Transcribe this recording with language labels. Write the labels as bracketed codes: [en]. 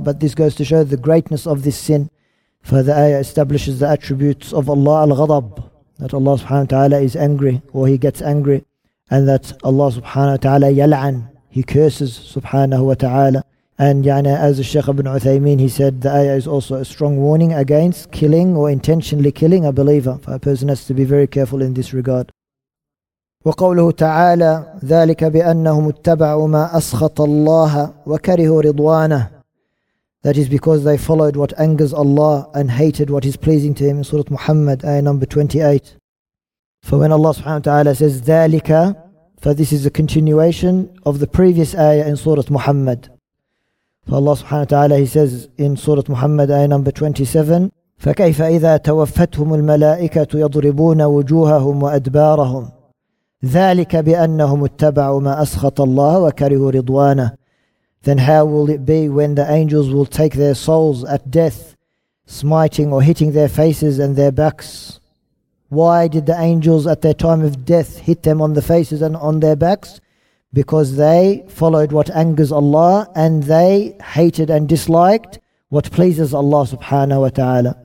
[en] But this goes to show the greatness of this sin. For the ayah establishes the attributes of Allah al-ghadab, that Allah subhanahu wa ta'ala is angry, or He gets angry. And that Allah subhanahu wa ta'ala yal'an, He curses subhanahu wa ta'ala. And yani, as the Shaykh ibn Uthaymeen, he said, the ayah is also a strong warning against killing or intentionally killing a believer. For a person has to be very careful in this regard. [ar] وقوله تعالى ذلك بأنهم اتبعوا ما أسخط الله وكرهوا رضوانه, [en] that is because they followed what angers Allah and hated what is pleasing to Him. In Surah Muhammad, ayah number 28. For when Allah subhanahu wa ta'ala says ذلك, for this is a continuation of the previous ayah in Surah Muhammad. For Allah subhanahu wa ta'ala, He says in Surah Muhammad, ayah number 27, [ar] فكيف إذا توفتهم الملائكة يضربون وجوههم وأدبارهم. ذَلِكَ بِأَنَّهُمُ اتَّبَعُوا مَا أَسْخَطَ اللَّهَ وَكَرِهُ رِضْوَانَهُ. [en] Then how will it be when the angels will take their souls at death, smiting or hitting their faces and their backs? Why did the angels at their time of death hit them on the faces and on their backs? Because they followed what angers Allah, and they hated and disliked what pleases Allah subhanahu wa ta'ala.